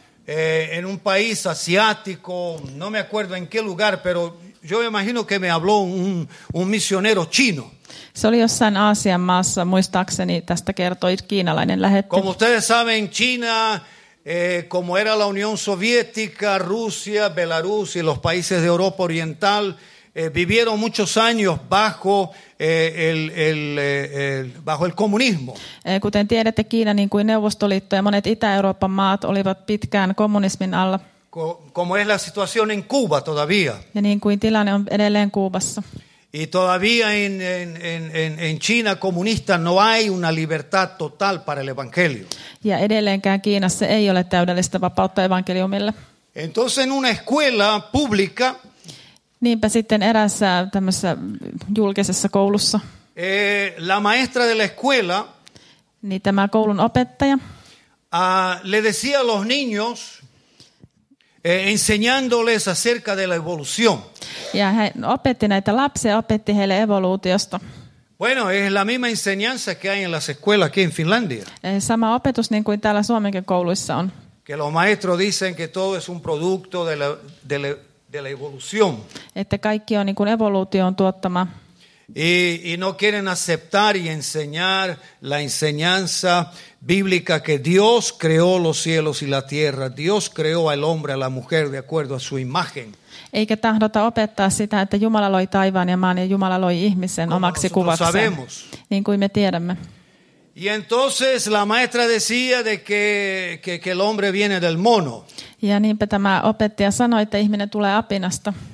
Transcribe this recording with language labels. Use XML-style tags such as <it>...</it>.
<es>En un país asiático, no me acuerdo en qué lugar, pero yo imagino que me habló un misionero chino.</es> <fi>Se oli jossain Aasian maassa, muistaakseni tästä kertoi kiinalainen lähetti.</fi> <es>Como ustedes saben, China, como era la Unión Soviética, Rusia, Belarus y los países de Europa Oriental, vivieron muchos años bajo el comunismo.</es> <fi>Kuten tiedätte, Kiina niin kuin Neuvostoliitto ja monet Itä-Euroopan maat olivat pitkään kommunismin alla.</fi> <es>Como es la situación en Cuba todavía.</es> <fi>Ja niin kuin tilanne on edelleen Kuubassa.</fi> <es>Y todavía en China comunista no hay una libertad total para el evangelio.</es> <fi>Ja edelleenkään Kiinassa ei ole täydellistä vapautta evankeliumille.</fi> <es>Entonces en una escuela pública.</es> <fi>Niinpä sitten erässä tämmössä julkisessa koulussa.</fi> <es>La maestra de la escuela.</es> <fi>Niin tämä koulun opettaja.</fi> <es>Le decía a los niños. Enseñándoles acerca de la evolución.</es> <fi>Ja hän opetti näitä lapsia, opetti heille evoluutiosta.</fi> <es>Bueno, es la misma enseñanza que hay en las escuelas aquí en Finlandia.</es> <fi>Sama opetus niin kuin täällä Suomenkin kouluissa on.</fi> <es>Que los maestros dicen que todo es un producto de la evolución.</es> <fi>Että kaikki on niin kuin evoluution tuottama.</fi> <es>Y no quieren aceptar y enseñar la enseñanza bíblica que Dios creó los cielos y la tierra. Dios creó al hombre y a la mujer de acuerdo a su imagen.</es> <fi>Eikä tahdota opettaa sitä, että Jumala loi taivaan ja maan ja Jumala loi ihmisen omaksi kuvakseen. Niin kuin me tiedämme.</fi> <es>Y entonces la maestra decía de que el hombre viene del mono.</es> <fi>Ja niinpä tämä opettaja sanoi, että ihminen tulee apinasta.</fi>